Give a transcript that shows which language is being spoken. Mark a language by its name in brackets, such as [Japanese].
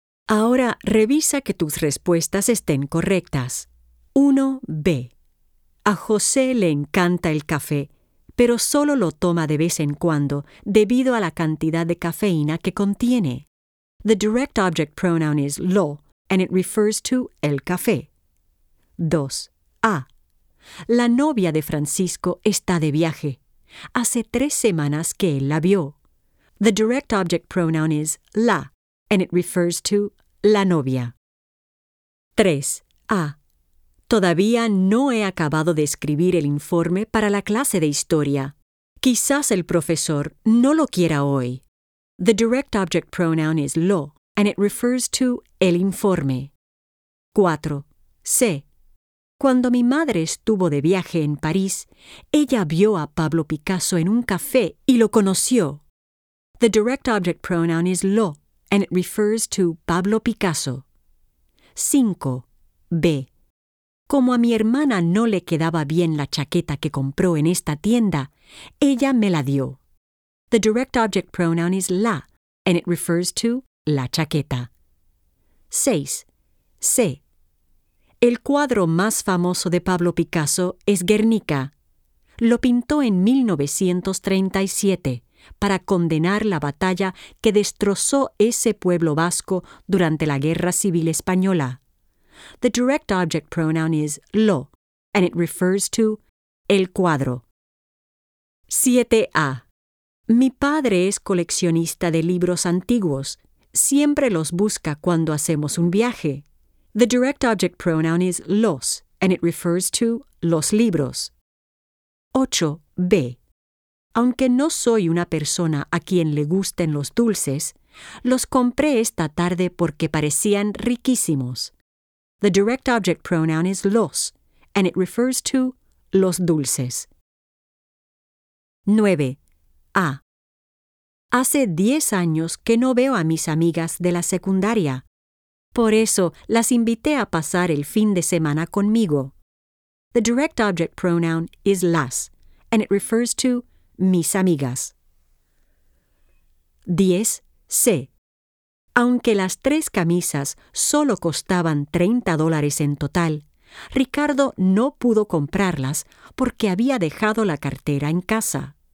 [Spanish] 1. Revisa que tus respuestas estén correctas. 1B. A José le encanta el café, pero solo lo toma de vez en cuando debido a la cantidad de cafeína que contiene. [English] The direct object pronoun is lo, and it refers to el café. [Spanish] 2A. La novia de Francisco está de viaje. Hace 3 semanas que él la vio. [English] The direct object pronoun is la, and it refers to la novia. 3A. [Spanish] Todavía no he acabado de escribir el informe para la clase de historia. Quizás el profesor no lo quiera hoy. [English] The direct object pronoun is lo, and it refers to el informe. 4. C. [Spanish] Cuando mi madre estuvo de viaje en París, ella vio a Pablo Picasso en un café y lo conoció. [English] The direct object pronoun is lo, and it refers to Pablo Picasso. 5. B. [Spanish] Como a mi hermana no le quedaba bien la chaqueta que compró en esta tienda, ella me la dio. [English] The direct object pronoun is la, and it refers to la chaqueta. 6. C. [Spanish] El cuadro más famoso de Pablo Picasso es Guernica. Lo pintó en 1937 para condenar la batalla que destrozó ese pueblo vasco durante la Guerra Civil Española. [English] The direct object pronoun is lo, and it refers to el cuadro. 7a. [Spanish] Mi padre es coleccionista de libros antiguos. Siempre los busca cuando hacemos un viaje. [English] The direct object pronoun is los, and it refers to los libros. 8b. [Spanish] Aunque no soy una persona a quien le gusten los dulces, los compré esta tarde porque parecían riquísimos. [English] The direct object pronoun is los, and it refers to los dulces. 9. A. [Spanish] Hace 10 años que no veo a mis amigas de la secundaria. Por eso las invité a pasar el fin de semana conmigo. [English] The direct object pronoun is las, and it refers to mis amigas. 10. C. [Spanish] Aunque las tres camisas solo costaban $30 en total, Ricardo no pudo comprarlas porque había dejado la cartera en casa.